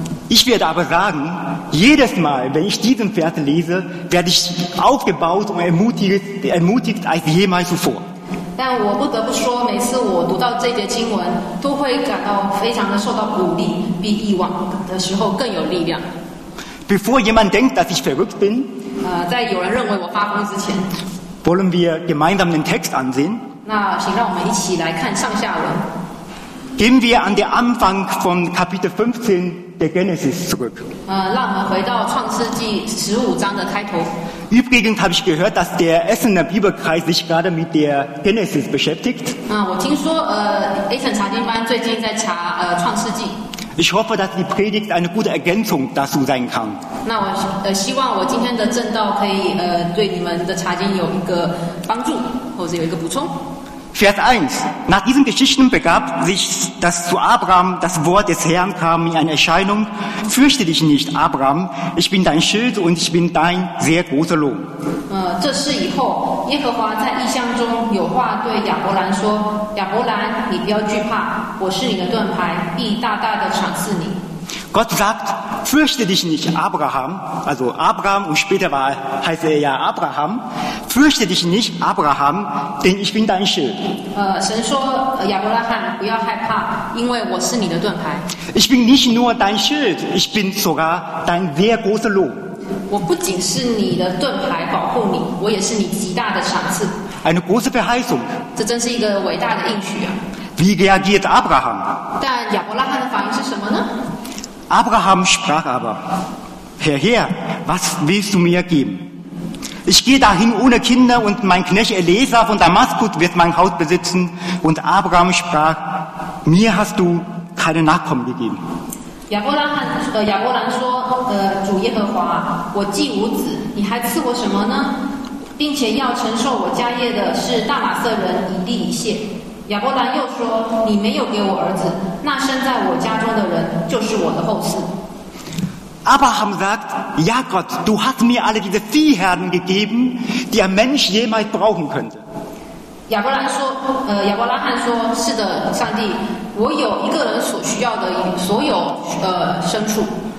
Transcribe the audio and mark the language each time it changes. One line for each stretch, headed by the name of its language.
German: Ich werde aber sagen, Jedes Mal, wenn ich diesen Vers lese, werde ich aufgebaut und ermutigt als jemals zuvor.
Chinese: 但我不得不说，每次我读到这节经文，都会感到非常的受到鼓励，比以往的时候更有力量。
German: Bevor jemand denkt, dass ich verrückt bin,
Chinese: 在有人认为我发疯之前
German: ，wollen wir gemeinsam den Text ansehen？
Chinese: 那请让我们一起来看上下文。
German: Gehen wir an den Anfang von Kapitel 15 der Genesis zurück.
Chinese: 让我们回到创世纪十五章的开头。
German: Übrigens habe ich gehört, dass der Essener Bibelkreis sich gerade mit der Genesis beschäftigt.
Chinese: 我听说Essen 查经班最近在查创世纪。
German: Ich hoffe, dass die Predigt eine gute Ergänzung dazu sein kann.
Chinese: 那我希望我今天的正道可以对你们的查经有一个帮助，或者有一个补充。
German: Vers 1. Nach diesen Geschichten begab sich, dass zu Abraham das Wort des Herrn kam in eine Erscheinung. Fürchte dich nicht, Abraham. Ich bin dein Schild und ich bin dein sehr großer Lohn.
Chinese: 这事以后，耶和华在异象中有话对亚伯兰说：亚伯兰，你不要惧怕，我是你的盾牌，必大大的赏赐你。
German: Gott sagt, fürchte dich nicht, Abraham. Also Abraham, und später war, heißt er ja Abraham. Fürchte dich nicht, Abraham, denn ich bin dein Schild.
Chinese: 神说亚伯拉罕不要害怕，因为我是你的盾牌。
German: Ich bin nicht nur dein Schild, ich bin sogar dein sehr großer Lohn.
Chinese: 我不仅是你的盾牌保护你，我也是你极大的赏赐。
German: Eine große Verheißung.
Chinese: 这真是一个伟大的应许啊。
German: Wie reagiert Abraham?
Chinese: 但亚伯拉罕的反应是什么呢？
German: Abraham sprach aber, Herr, Herr, was willst du mir geben? Ich gehe dahin ohne Kinder und mein Knecht Eliezer von Damaskus wird mein Haus besitzen. Und Abraham sprach, mir hast du keine Nachkommen gegeben. Abraham sagte,
Chinese: 主耶和华，我既无子，你还赐我什么呢？并且要承受我家业的是大马色人以利以谢。亚伯兰又说：“你没有给我儿子，那生在我家中的人就是我的后嗣。”
German: Abraham sagt: Ja, Gott, du hast mir alle diese Viehherden gegeben, die ein Mensch jemals brauchen könnte.
Chinese: 亚伯拉罕说：“是的，上帝，我有一个人所需要的所有牲畜。”